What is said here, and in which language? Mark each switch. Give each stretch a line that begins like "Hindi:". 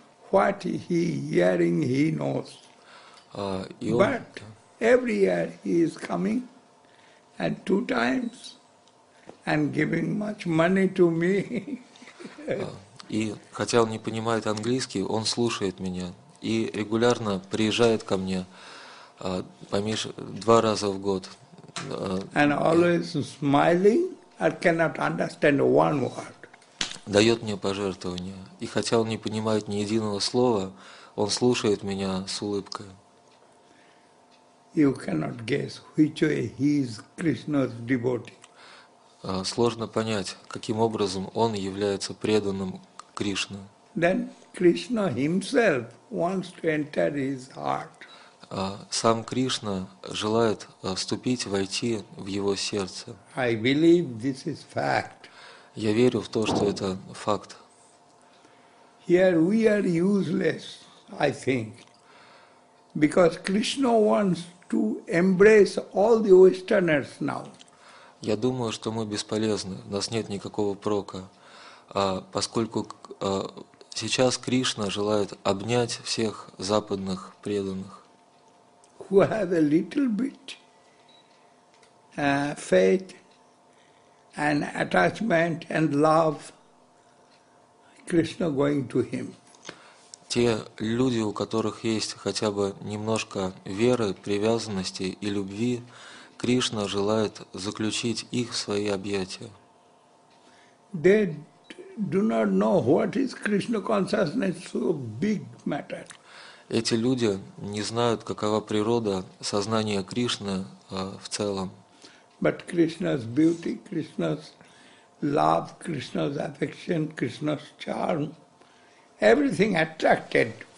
English: What he hearing he knows. But every year he is coming and 2 times and giving much money to me.
Russian: И хотя он не понимает английский, он слушает меня и регулярно приезжает ко мне 2 раза в год.
English: And always smiling, I cannot understand one word.
Russian: Дает мне пожертвования. И хотя он не понимает ни единого слова, он слушает меня с улыбкой.
English: You cannot guess which way he is Krishna's devotee.
Russian: Сложно понять, каким образом он является преданным Кришне.
English: Then Krishna himself wants to enter his heart.
Russian: Сам Кришна желает вступить, войти в его сердце.
English: I believe this is fact.
Russian: Я верю в то, что это факт.
English: Here we are useless, I think, because Krishna wants to embrace all the Westerners now.
Russian: Я думаю, что мы бесполезны, у нас нет никакого прока, поскольку сейчас Кришна желает обнять всех западных преданных.
English: Who have a little bit faith and attachment and love, Krishna going to him.
Russian: Те люди, у которых есть хотя бы немножко веры, привязанности и любви, Кришна желает заключить их в свои объятия.
English: They do not know what is Krishna consciousness, so big matter.
Russian: Эти люди не знают, какова природа сознания Кришны в целом.
English: But Krishna's beauty, Krishna's love, Krishna's affection, Krishna's charm, everything attracted